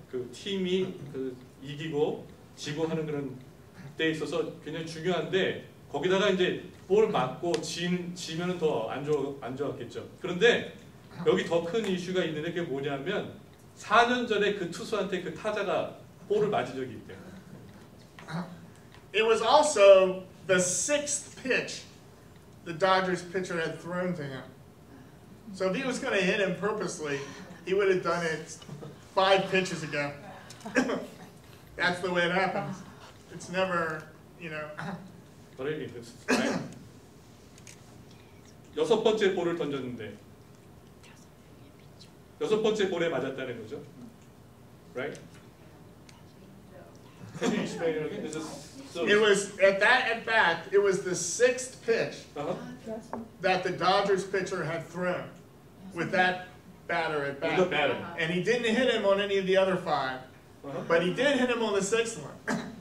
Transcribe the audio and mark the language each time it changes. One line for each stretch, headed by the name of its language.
Korean: 그 팀이 그 이기고 지고 하는 그런 때에 있어서 굉장히 중요한데 거기다가 이제 볼 맞고 지면은 더 안 좋았겠죠. 그런데 여기 더 큰 이슈가 있는 게 뭐냐면 4년 전에 그 투수한테 그 타자가 볼을 맞은 적이 있대요.
English: It was also the sixth pitch the Dodgers pitcher had thrown to him. So if he was going to hit him purposely, he would have done it five pitches ago. That's the way it happens. It's never, you know. What do you mean?
Korean: 여섯 번째 볼을 던졌는데 여섯 번째 볼에 맞았다는 거죠.
English: Right? It was at that at bat, it was the sixth pitch that the Dodgers pitcher had thrown with that batter at bat. And he didn't hit him on any of the other five, but he did hit him on the sixth one.